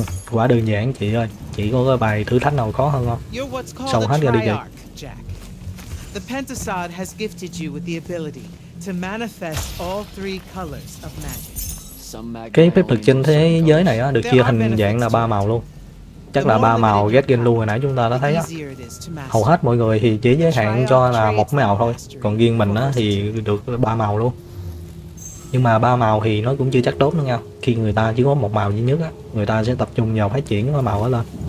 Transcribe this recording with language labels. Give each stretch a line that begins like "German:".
Vietnamese: Quá đơn giản chị ơi, chị có cái bài thử thách nào khó hơn không? Sầu hết ra đi vậy.
English: The Pentasod has gifted you with the ability to manifest all three colors of magic.
Vietnamese: Cái phép thuật trên thế giới này á, được chia hình dạng là ba màu luôn. Chắc là ba màu ghét ghen luôn hồi nãy chúng ta đã thấy á. Hầu hết mọi người thì chỉ giới hạn cho là một màu thôi, còn riêng mình á thì được ba màu luôn. Nhưng mà ba màu thì nó cũng chưa chắc tốt nữa nha. Khi người ta chỉ có một màu duy nhất á, người ta sẽ tập trung vào phát triển cái màu đó lên.